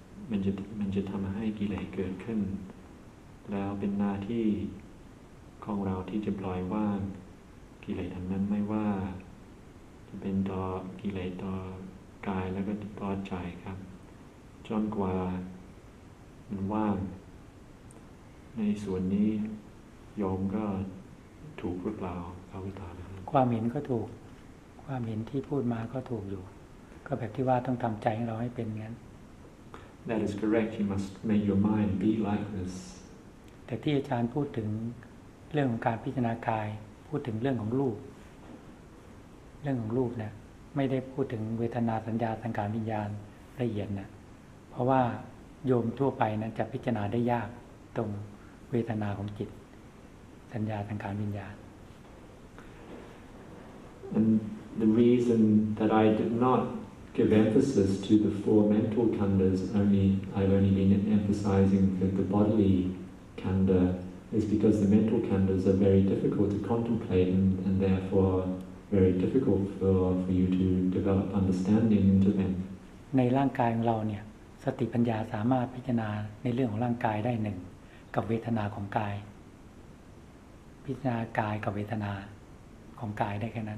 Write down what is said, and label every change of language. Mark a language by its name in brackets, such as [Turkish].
[Thai] มันจะทำให้กิเลสเกิดขึ้นแล้วเป็นหน้าที่ของเราที่จะปล่อยวางกิเลสอันนั้นไม่ว่าจะเป็นต่อกิเลสต่อกายแล้วก็ต่อใจครับจนกว่ามันว่างในส่วนนี้โยมก็ถูกหรือเปล่าเขาพิจารณา ความเห็นก็ถูกความเห็นที่พูดมาก็ถูกอยู่ก็แบบที่ว่าต้องทำใจของเราให้เป็นงั้น [English] That is correct. You must make your mind be like this. [Thai] แต่ที่อาจารย์พูดถึงเรื่องของการพิจารณากายพูดถึงเรื่องของรูปเรื่องของรูปเนี่ยไม่ได้พูดถึงเวทนาสัญญาสังขารวิญญาณละเอียดนะเพราะว่าโยมทั่วไปนั้นจะพิจารณาได้ยากตรงเวทนาของจิตสัญญาสังขารวิญญาณ [English] And the reason that I did not give emphasis to the four mental khandhas only I've only been emphasizing the bodily khandha is because the mental khandhas are very difficult to contemplate and therefore very difficult for you to develop understanding into them [Thai] ในร่างกายของเราเนี่ยสติปัญญาสามารถพิจารณาในเรื่องของร่างกายได้หนึ่งกับเวทนาของกายพิจารณากายกับเวทนาของกายได้แค่นั้